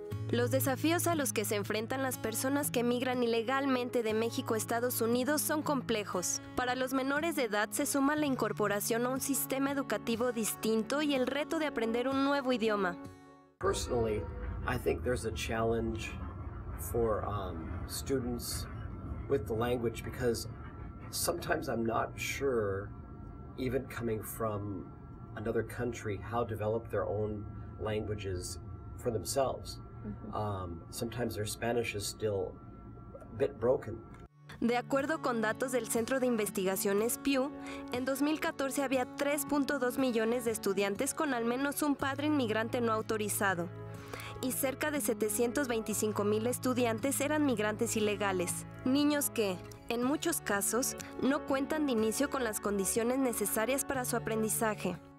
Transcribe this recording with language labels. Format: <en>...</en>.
<es>Los desafíos a los que se enfrentan las personas que migran ilegalmente de México a Estados Unidos son complejos. Para los menores de edad se suma la incorporación a un sistema educativo distinto y el reto de aprender un nuevo idioma.</es> <en>Personally, I think there's a challenge for students with the language because sometimes I'm not sure, even coming from another country, how develop their own languages for themselves. Sometimes their Spanish is still a bit broken.</en> <es>De acuerdo con datos del Centro de Investigaciones Pew, en 2014 había 3.2 millones de estudiantes con al menos un padre inmigrante no autorizado y cerca de 725 mil estudiantes eran migrantes ilegales, niños que, en muchos casos, no cuentan de inicio con las condiciones necesarias para su aprendizaje.</es>